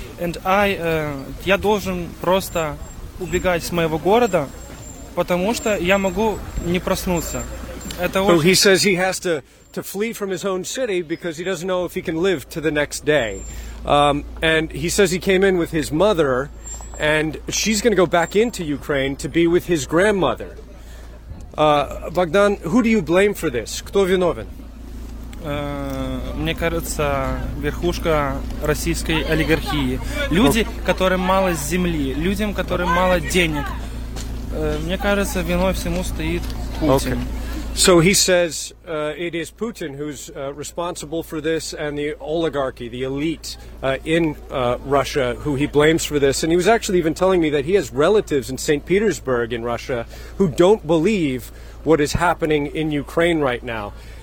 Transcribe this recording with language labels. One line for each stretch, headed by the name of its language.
English: And I
Russian: я должен просто убегать с моего города, потому что я могу не проснуться.
English: So he says he has to flee from his own city because he doesn't know if he can live to the next day. And he says he came in with his mother, and she's going to go back into Ukraine to be with his grandmother. Bogdan, who do you blame for this?
Russian: Кто виновен? Мне кажется, верхушка российской олигархии. Люди, которым мало земли, людям, которым мало денег. Мне кажется, виной всему стоит Путин.
English: So he says it is Putin who's responsible for this, and the oligarchy, the elite in Russia, who he blames for this. And he was actually even telling me that he has relatives in St. Petersburg in Russia who don't believe what is happening in Ukraine right now.